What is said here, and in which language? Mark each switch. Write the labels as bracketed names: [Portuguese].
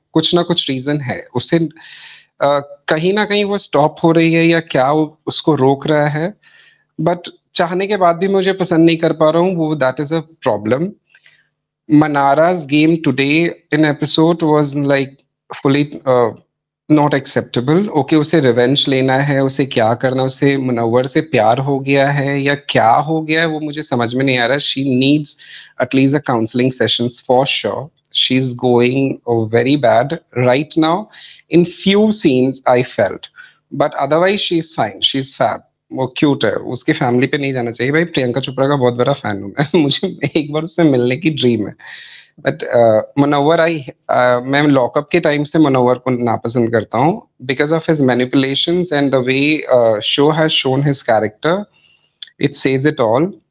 [Hindi] कुछ ना कुछ रीजन है उसे, कहीं ना कहीं वो स्टॉप हो रही है या क्या उसको रोक रहा है, बट चाहने के बाद भी मुझे पसंद नहीं कर पा रहा हूँ, वो [English] That is a problem. Mannara's game today in episode was like fully Not acceptable. [Hindi] Okay, उसे रिवेंज लेना है, उसे क्या करना, उसे मुनव्वर से प्यार हो गया है या क्या हो गया है वो मुझे समझ में नहीं आ रहा. [English] She needs at least a counseling sessions for sure. She's going very bad right now. In few scenes I felt, but otherwise she's fine. She's fab. [Hindi] वो क्यूट है, उसकी फैमिली पे नहीं जाना चाहिए भाई। प्रियंका चोपड़ा का बहुत बड़ा फैन हूँ मैं, मुझे एक बार उससे मिलने की ड्रीम है। [English] but Munawar I, [Hindi] मैं लॉकअप के टाइम से मनोवर को नापसंद करता हूँ [English] Because of his manipulations and the way show has shown his character, it says it all.